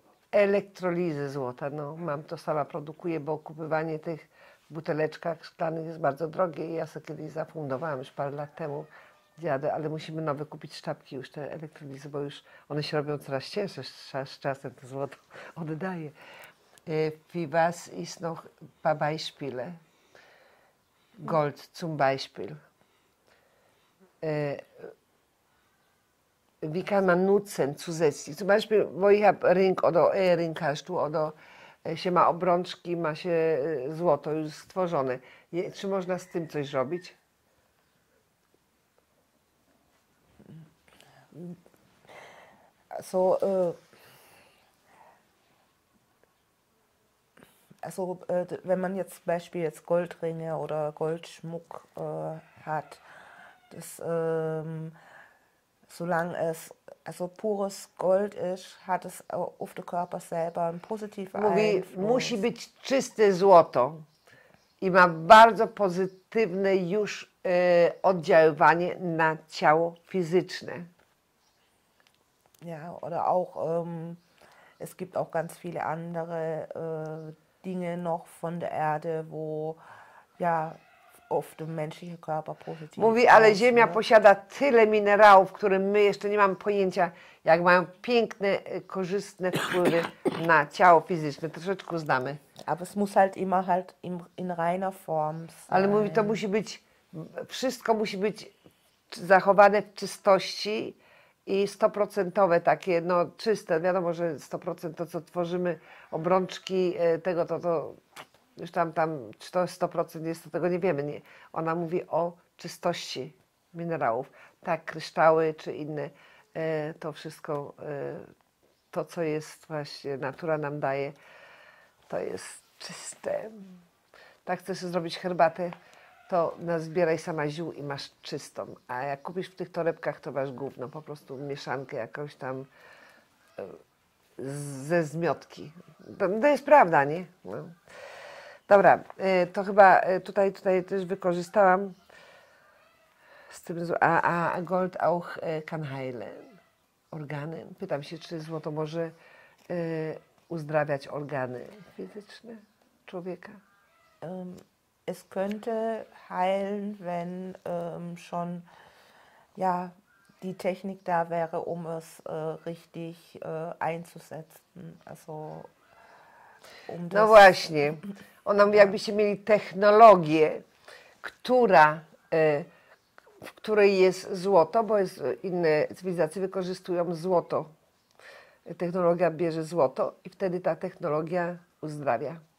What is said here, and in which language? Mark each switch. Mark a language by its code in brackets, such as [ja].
[pl] Elektrolizy złota, no mam to, sama produkuję, bo kupowanie tych buteleczkach szklanych jest bardzo drogie i ja sobie kiedyś zafundowałam już parę lat temu. Dziadę, ale musimy nowe kupić sztabki już, te elektrolizy, bo już one się robią coraz cięższe, z czasem to złoto oddaje. [de] Fibas ist noch bei Beispiele. Gold zum Beispiel. wie kann man nutzen zusätzlich? Zum Beispiel, wo ich habe Ring oder Ehering hast du oder [pl] się ma obrączki, ma się złoto już stworzone. Czy można z tym coś zrobić? [de] Also wenn man jetzt zum Beispiel jetzt Goldringe oder Goldschmuck hat, das, solange es also pures Gold ist, hat es auf den Körper selber einen positiven Einfluss. [pl] Musi być czyste złoto i ma bardzo pozytywne już oddziaływanie na ciało fizyczne. [de] Ja, oder auch, es gibt auch ganz viele andere Dinge noch von der Erde, wo ja auf den menschlichen Körper positiv ist. [pl] Mówi, ale Ziemia posiada tyle minerałów, które my jeszcze nie mamy pojęcia, jak mają piękne, korzystne wpływy na ciało fizyczne. Troszeczkę znamy. [de] Aber es muss halt immer halt in reiner Form sein. [pl] Ale mówi, to musi być, wszystko musi być zachowane w czystości. I 100% takie, no czyste, wiadomo, że 100% to, co tworzymy, obrączki tego, to już tam czy to 100% jest, to tego nie wiemy. Nie. Ona mówi o czystości minerałów, tak, kryształy czy inne, to wszystko, to, co jest właśnie, natura nam daje, to jest czyste. Tak, chcesz zrobić herbatę, to nazbieraj sama ziół i masz czystą. A jak kupisz w tych torebkach, to masz gówno, po prostu mieszankę jakąś tam ze zmiotki. To jest prawda, nie? No. Dobra, to chyba tutaj też wykorzystałam z tym, a [de] gold auch kann heilen. [pl] Organy. Pytam się, czy złoto może uzdrawiać organy fizyczne człowieka? [de] Es könnte heilen, wenn schon ja, die Technik da wäre, um es richtig einzusetzen. Also, um das, [pl] no właśnie. Ona mówi, jakbyście mieli technologię, która, w której jest złoto, bo jest, inne cywilizacje wykorzystują złoto. Technologia bierze złoto i wtedy ta technologia uzdrawia.